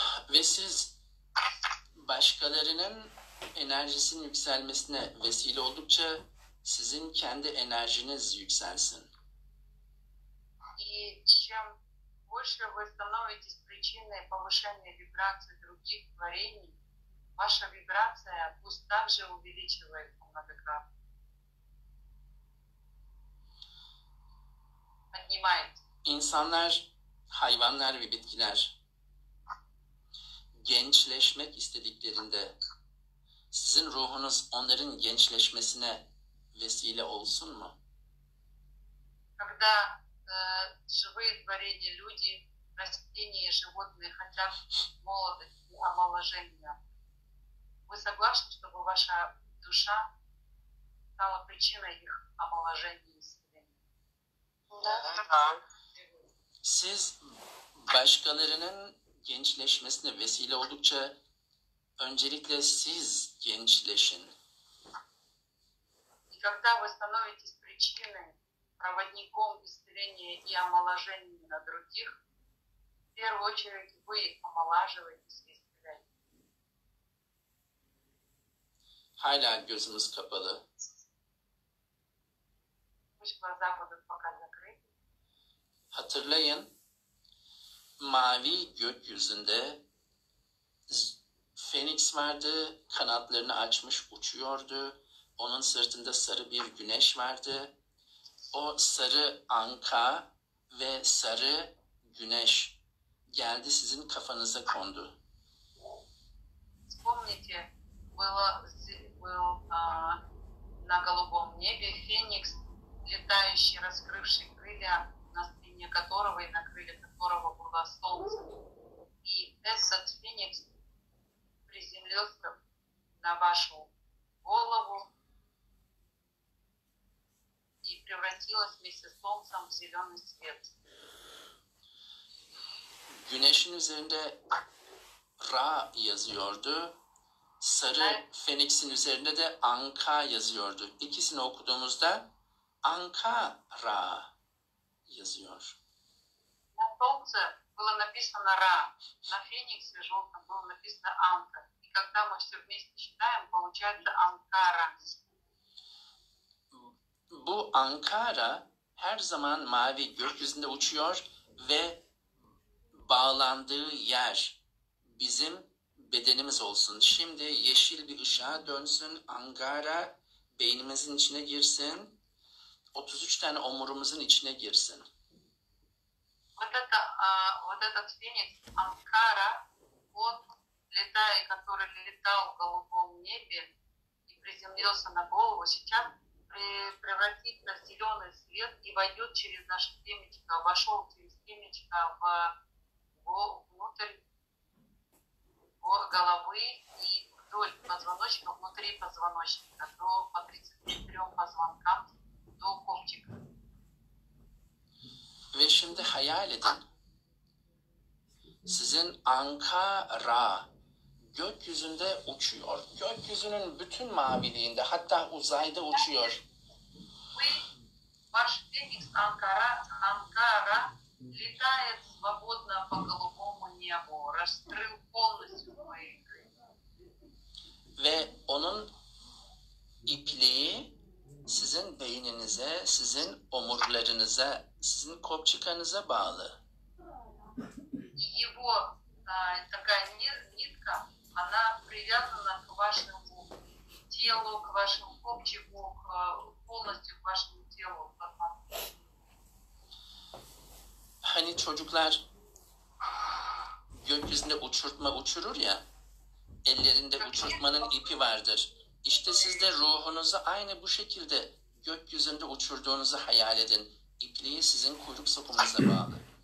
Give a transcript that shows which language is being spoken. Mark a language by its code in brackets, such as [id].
[tr] Ve siz başkalarının enerjisinin yükselmesine vesile oldukça sizin kendi enerjiniz yükselsin. [ru] И чем больше вы становитесь причиной повышения вибрации других творений, ваша вибрация пусть также увеличивается многократно. Поднимает. [tr] İnsanlar, hayvanlar ve bitkiler gençleşmek istediklerinde sizin ruhunuz onların gençleşmesine vesile olsun mu? [ru] Когда живые творения, люди, растения, животные хотят молодости и омоложения, вы согласны, чтобы ваша душа стала причиной их омоложения и исцеления? Да. [tr] Siz başkalarının gençleşmesine vesile oldukça öncelikle siz gençleşin. [ru] Когда вы становитесь причиной, проводником исцеления и омоложения на других, в первую очередь вы омолаживаетесь и исцеляете. [tr] Hala gözümüz kapalı. [ru] Пусть глаза будут пока закрыты. [tr] Hatırlayın, mavi gökyüzünde Feniks vardı, kanatlarını açmış uçuyordu. Onun sırtında sarı bir güneş vardı. O sarı anka ve sarı güneş geldi sizin kafanıza kondu. [ru] Вспомните, был на голубом небе феникс, летающий, раскрывший крылья, на спине которого и на крыльях которого было солнце. И этот феникс приземлился на вашу голову и превратилась вместе с солнцем в зеленый свет. [tr] Güneşin üzerinde Ra yazıyordu. Sarı Feniks'in üzerinde de Anka yazıyordu. İkisini okuduğumuzda Anka Ra yazıyor. [ru] На солнце было написано Ра. На фениксе желтом было написано Анка. И когда мы все вместе читаем, получается Анкара. [tr] Bu Ankara her zaman mavi gökyüzünde uçuyor ve bağlandığı yer bizim bedenimiz olsun. Şimdi yeşil bir ışığa dönsün, Ankara beynimizin içine girsin, 33 tane omurumuzun içine girsin. [ru] Вот это, вот этот феникс Ankara, вот летая, который летал в голубом небе и приземлился на голову, сейчас превратить на зеленый свет и войдет через наше семечко, вошел через семечко внутрь головы и вдоль позвоночника, внутри позвоночника, до по 33 позвонкам, до копчика. [tr] Ve şimdi hayal edin. Sizin Ankara gökyüzünde uçuyor. Gökyüzünün bütün maviliğinde, hatta uzayda uçuyor. [ru] Ваш феникс Анкара летает свободно по голубому небу, раскрыл полностью мои крылья. [tr] Ve onun ipliği sizin beyninize, sizin omurlarınıza, sizin kopçıkanıza bağlı. [ru] И его такая нитка, она привязана к вашему телу, к вашему копчику, полностью к вашему телу. [tr] Hani çocuklar gökyüzünde uçurtma uçurur ya, ellerinde uçurtmanın ipi vardır. İşte siz de ruhunuzu aynı bu şekilde gökyüzünde uçurduğunuzu hayal edin. İpliği sizin kuyruk sokumuza bağlı.